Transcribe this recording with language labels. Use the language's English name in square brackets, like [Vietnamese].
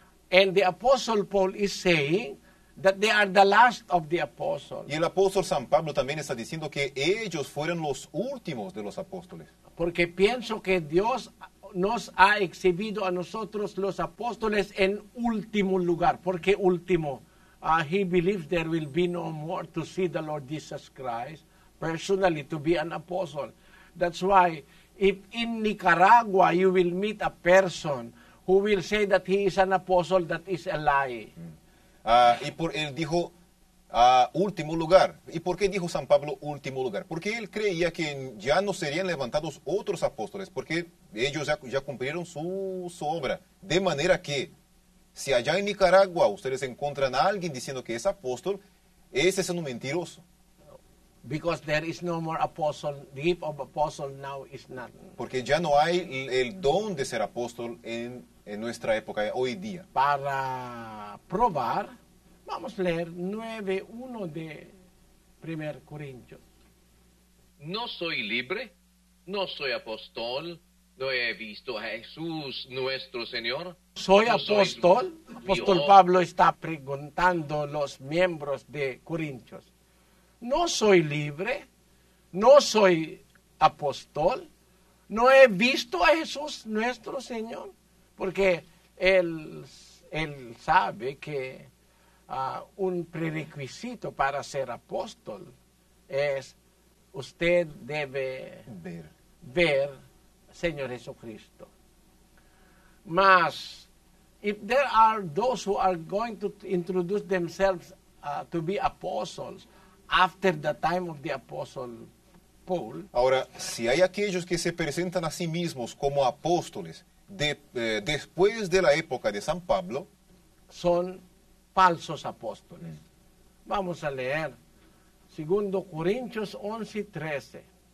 [English] And the apostle Paul is saying that they are the last of the apostles. [Spanish] Y el apóstol San Pablo también está diciendo que ellos fueron los últimos de los apóstoles. Porque pienso que Dios nos ha exhibido a nosotros los apóstoles en último lugar. ¿Por qué último? [English] He believes there will be no more to see the Lord Jesus Christ personally to be an apostle. That's why if in Nicaragua you will meet a person who will say that he is an apostle, that is a lie. [Spanish] Y por él dijo último lugar. ¿Y por qué dijo San Pablo último lugar? Porque él creía que ya no serían levantados otros apóstoles, porque ellos ya cumplieron su obra. De manera que, si allá en Nicaragua ustedes encuentran a alguien diciendo que es apóstol, ese es un mentiroso. [English] Because there is no more apostle, the gift of apostle now is not. [Spanish] Porque ya no hay el don de ser apóstol en nuestra época, hoy día. Para probar, vamos a leer 9:1 de 1 Corintios. No soy libre, no soy apóstol, no he visto a Jesús nuestro Señor. Soy apóstol. Apóstol Pablo está preguntando a los miembros de Corintios. No soy libre, no soy apóstol, no he visto a Jesús nuestro Señor. Porque él sabe que un prerequisito para ser apóstol es usted debe ver Señor Jesucristo. [English] Mas, if there are those who are going to introduce themselves to be apostles after the time of the apostle Paul. [Spanish] Ahora, si hay aquellos que se presentan a sí mismos como apóstoles después de la época de San Pablo, son falsos apóstoles. Vamos a leer 2 Corintios 11, 13.